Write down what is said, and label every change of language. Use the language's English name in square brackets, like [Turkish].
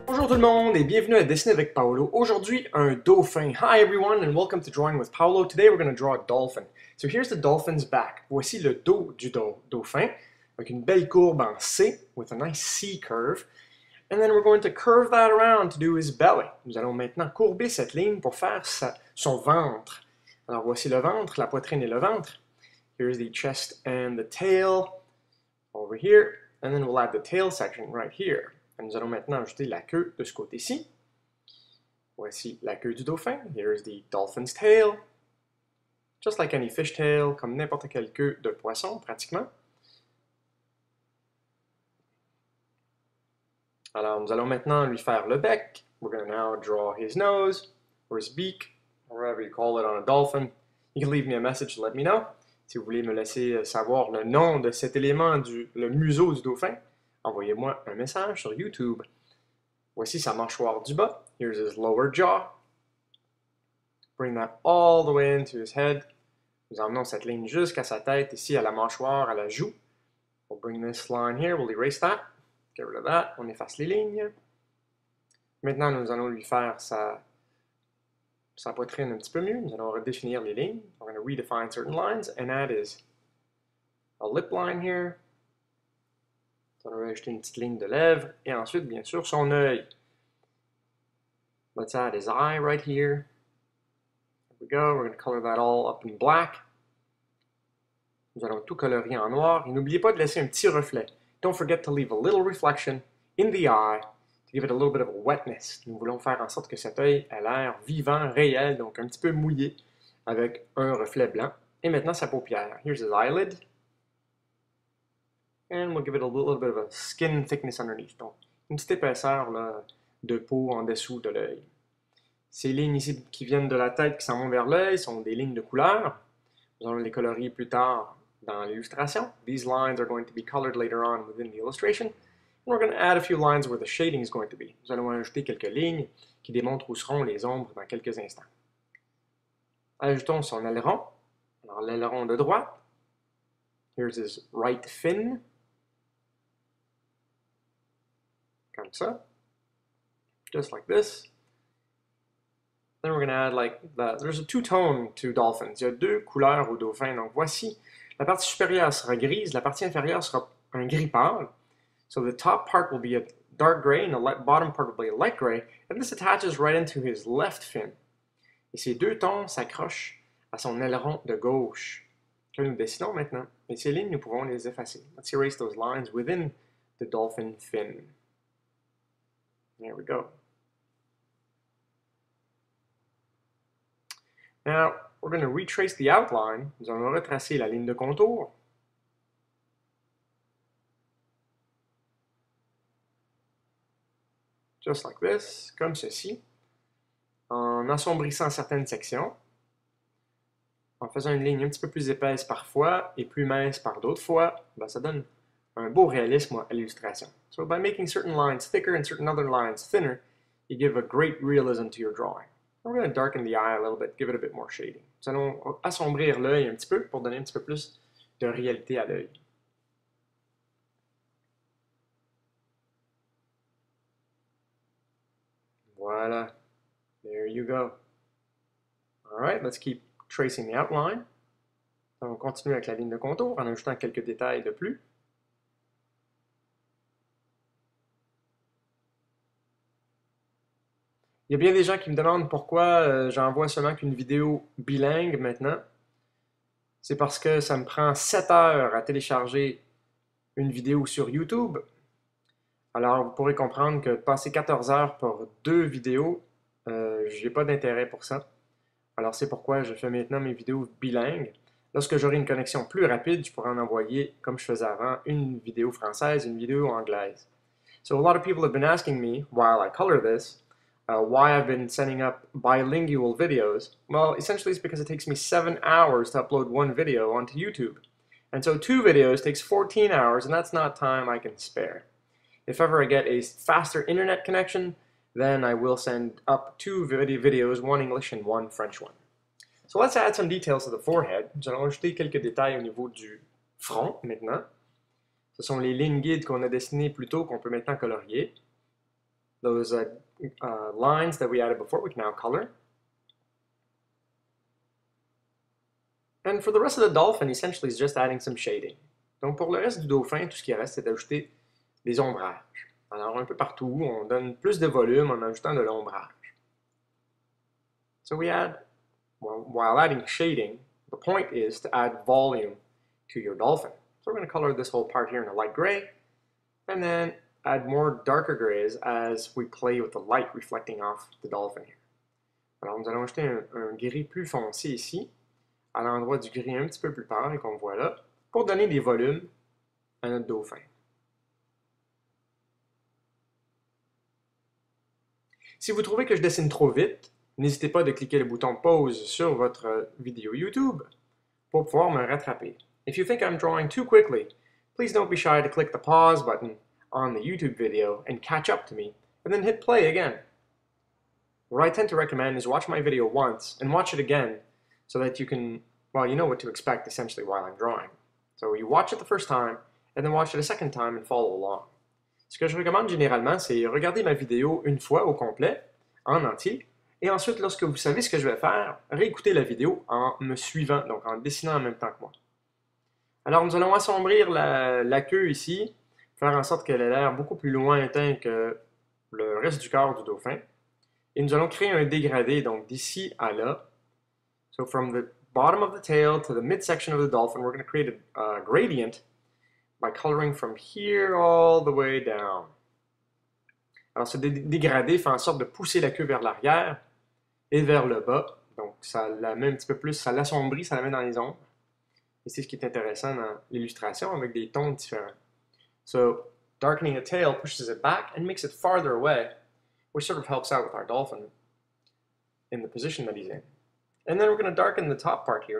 [French] le monde et bienvenue à Dessiner avec Paolo. Aujourd'hui, un dauphin. [English] Hi everyone and welcome to Drawing with Paolo. Today we're going to draw a dolphin. So here's the dolphin's back. [French] Voici le dos du dauphin avec une belle courbe en C [English] with a nice C curve. And then we're going to curve that around to do his belly. [French] Nous allons maintenant courber cette ligne pour faire son ventre. Alors voici le ventre, la poitrine et le ventre. [English] Here's the chest and the tail over here. And then we'll add the tail section right here. [French] Et nous allons maintenant ajouter la queue de ce côté-ci. Voici la queue du dauphin. [English] Here's the dolphin's tail. Just like any fish tail, [French] comme n'importe quelle queue de poisson, pratiquement. Alors, nous allons maintenant lui faire le bec. [English] We're going to now draw his nose, or his beak, or whatever you call it on a dolphin. You can leave me a message to let me know. [French] Si vous voulez me laisser savoir le nom de cet élément, le museau du dauphin, envoyez-moi un message sur YouTube. Voici sa mâchoire du bas. [English] Here's his lower jaw. Bring that all the way into his head. [French] Nous emmenons cette ligne jusqu'à sa tête, ici à la mâchoire, à la joue. [English] We'll bring this line here. We'll erase that. Get rid of that. [French] On efface les lignes. Maintenant, nous allons lui faire sa poitrine un petit peu mieux. Nous allons redéfinir les lignes. [English] We're going to redefine certain lines and add his a lip line here. [French] On va ajouter une petite ligne de lèvres et ensuite, bien sûr, son œil. [English] Let's add his eye right here. There we go. We're going to color that all up in black. [French] Nous allons tout colorier en noir. Et n'oubliez pas de laisser un petit reflet. [English] Don't forget to leave a little reflection in the eye to give it a little bit of wetness. [French] Nous voulons faire en sorte que cet œil ait l'air vivant, réel, donc un petit peu mouillé avec un reflet blanc. Et maintenant, sa paupière. [English] Here's his eyelid. And we'll give it a little bit of a skin thickness underneath. [French] Donc, une petite épaisseur là, de peau en dessous de l'œil. Ces lignes ici qui viennent de la tête qui s'en vont vers l'œil sont des lignes de couleur. Nous allons les colorier plus tard dans l'illustration. [English] These lines are going to be colored later on within the illustration. And we're going to add a few lines where the shading is going to be. [French] Nous allons ajouter quelques lignes qui démontrent où seront les ombres dans quelques instants. Ajoutons son aileron. Alors, l'aileron de droite. [English] Here's his right fin. [French] Comme ça. [English] Just like this. Then we're going to add like that. There's a two-tone to dolphins. [French] Il y a deux couleurs aux dauphins. Donc voici, la partie supérieure sera grise, la partie inférieure sera un gris pâle. [English] So the top part will be a dark gray and the bottom part will be a light gray. And this attaches right into his left fin. [French] Et ces deux tons s'accrochent à son aileron de gauche. Que nous dessinons maintenant. Et ces lignes, nous pouvons les effacer. [English] Let's erase those lines within the dolphin fin. There we go. Now, we're going to retrace the outline. [French] Nous allons retracer la ligne de contour. [English] Just like this, [French] comme ceci. En assombrissant certaines sections. En faisant une ligne un petit peu plus épaisse parfois et plus mince par d'autres fois, ben ça donne un beau réalisme à l'illustration. [English] So by making certain lines thicker and certain other lines thinner, you give a great realism to your drawing. We're going to darken the eye a little bit, give it a bit more shading. [French] Nous allons assombrir l'œil un petit peu pour donner un petit peu plus de réalité à l'œil. Voilà. [English] There you go. All right, let's keep tracing the outline. [French] Donc, on continue avec la ligne de contour en ajoutant quelques détails de plus. Il y a bien des gens qui me demandent pourquoi j'envoie seulement qu'une vidéo bilingue maintenant. C'est parce que ça me prend 7 heures à télécharger une vidéo sur YouTube. Alors, vous pourrez comprendre que passer 14 heures pour deux vidéos, j'ai pas d'intérêt pour ça. Alors, c'est pourquoi je fais maintenant mes vidéos bilingues. Lorsque j'aurai une connexion plus rapide, je pourrai en envoyer, comme je faisais avant, une vidéo française, une vidéo anglaise. [English] So, a lot of people have been asking me, while I color this, why I've been sending up bilingual videos. Well, essentially, it's because it takes me 7 hours to upload one video onto YouTube. And so, 2 videos takes 14 hours, and that's not time I can spare. If ever I get a faster internet connection, then I will send up 2 videos, one English and one French one. So let's add some details to the forehead. [French] Nous allons ajouter quelques détails au niveau du front maintenant. Ce sont les lignes guides qu'on a dessinées plus tôt, qu'on peut maintenant colorier. [English] those lines that we added before, we can now color. And for the rest of the dolphin, essentially, it's just adding some shading. [French] Donc pour le reste du dauphin, tout ce qui reste, c'est d'ajouter des ombrages. Alors un peu partout, on donne plus de volume en ajoutant de l'ombrage. [English] So we add, while adding shading, the point is to add volume to your dolphin. So we're going to color this whole part here in a light gray, and then add more darker grays as we play with the light reflecting off the dolphin here. [French] Alors nous allons ajouter un gris plus foncé ici, à l'endroit du gris un petit peu plus pâle qu'on voit là, pour donner des volumes à notre dauphin. Si vous trouvez que je dessine trop vite, n'hésitez pas de cliquer le bouton pause sur votre vidéo YouTube pour pouvoir me rattraper. [English] If you think I'm drawing too quickly, please don't be shy to click the pause button on the YouTube video and catch up to me, and then hit play again. What I tend to recommend is watch my video once and watch it again so that you can, well, you know what to expect essentially while I'm drawing. So you watch it the first time, and then watch it a second time and follow along. [French] Ce que je recommande généralement, c'est regarder ma vidéo une fois au complet, en entier, et ensuite, lorsque vous savez ce que je vais faire, réécouter la vidéo en me suivant, donc en dessinant en même temps que moi. Alors, nous allons assombrir la queue ici, faire en sorte qu'elle ait l'air beaucoup plus lointain que le reste du corps du dauphin, et nous allons créer un dégradé, donc d'ici à là. [English] So from the bottom of the tail to the midsection of the dolphin, we're going to create a gradient by coloring from here all the way down. [French] Alors, ce dégradé fait en sorte de pousser la queue vers l'arrière et vers le bas. Donc, ça la met un petit peu plus, ça l'assombrit, ça la met dans les ombres. Et c'est ce qui est intéressant dans l'illustration avec des tons différents. [English] So, darkening the tail pushes it back and makes it farther away, which sort of helps out with our dolphin in the position that he's in. And then we're going to darken the top part here.